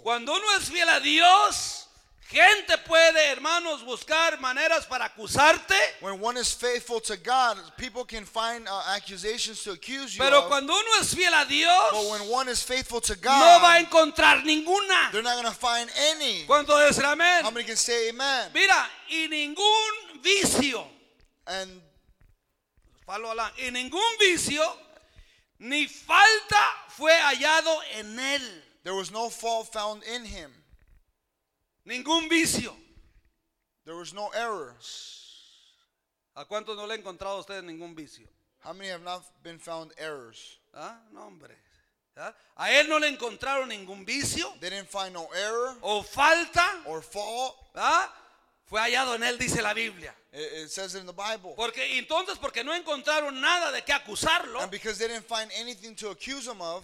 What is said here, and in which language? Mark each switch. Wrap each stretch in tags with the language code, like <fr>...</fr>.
<es>Cuando uno es fiel a Dios, gente puede, hermanos, buscar maneras para acusarte.</es> <en>When one is faithful to God, people can find accusations to accuse you.</en> <es>Pero</es> <en>of.</en> <es>Cuando uno es fiel a Dios,</es> <en>but when one is faithful to God,</en> <es>no va a encontrar ninguna.</es> <en>They're not going to find any.</en> <es>¿Cuánto dicen amén?</es> <en>How many can say amen?</en> <es>Mira, y ningún vicio.</es> <en>And follow along.</en> <es>Y ningún vicio ni falta fue hallado en él.</es> <en>There was no fault found in him.</en> <es>Ningún vicio.</es> <en>There was no errors.</en> <es>¿A cuántos no le ha encontrado usted ningún vicio?</es> <en>How many have not been found errors?</en> <es>Ah, no, hombre. ¿Ah? A él no le encontraron ningún vicio.</es> <en>They didn't find no error.</en> <es>O falta.</es> <en>Or fault.</en> <es>¿Ah? Fue hallado en él, dice la Biblia.</es> <en>It says it in the Bible.</en> <es>Porque entonces, porque no encontraron nada de qué acusarlo.</es> <en>And because they didn't find anything to accuse him of.</en>